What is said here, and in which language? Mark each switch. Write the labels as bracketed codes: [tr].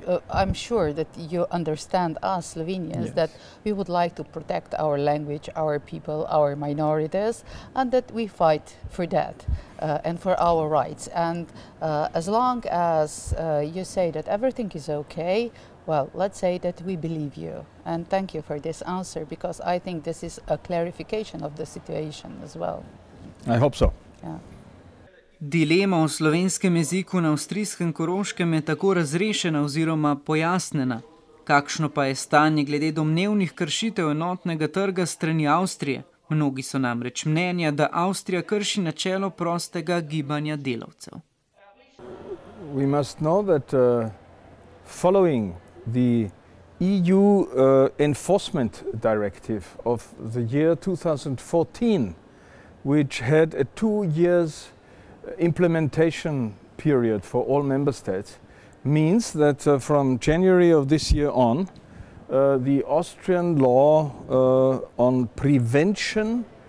[en] I'm sure that you understand us Slovenians yes. that we would like to protect our language, our people, our minorities, and that we fight for that and for our rights. And as long as you say that everything is okay, well, let's say that we believe you. And thank you for this answer, because I think this is a clarification of the situation as well. I hope so. Yeah. [sl] Dilema v slovenskem jeziku na avstrijskem Koroškem je tako razrešena oziroma pojasnjena. Kakšno pa je stanje glede domnevnih kršitev enotnega trga strani Avstrije? Mnogi so namreč mnenja, da Avstrija krši načelo prostega gibanja delavcev. [en] We must know that following the EU enforcement directive of the year 2014, which had a 2 years implementation period for all member states means that from January of this year on the Austrian law on prevention